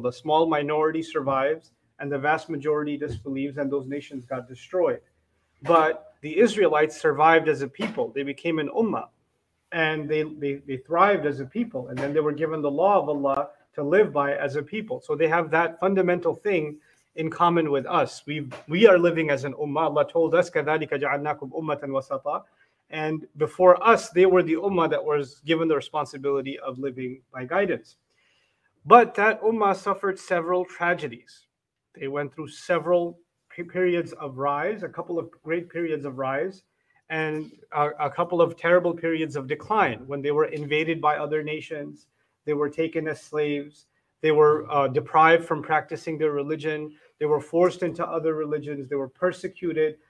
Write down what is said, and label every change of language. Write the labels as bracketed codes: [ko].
[en] The small minority survives and the vast majority disbelieves and those nations got destroyed. But the Israelites survived as a people. They became an ummah and they thrived as a people. And then they were given the law of Allah to live by as a people. So they have that fundamental thing in common with us. We are living as an ummah. Allah told us, [ar] كَذَلِكَ جَعَلْنَاكُمْ أُمَّةً وَسَطًا. [en] And before us, they were the ummah that was given the responsibility of living by guidance. But that ummah suffered several tragedies. They went through several periods of rise, a couple of great periods of rise, and a couple of terrible periods of decline when they were invaded by other nations, they were taken as slaves, they were deprived from practicing their religion, they were forced into other religions, they were persecuted.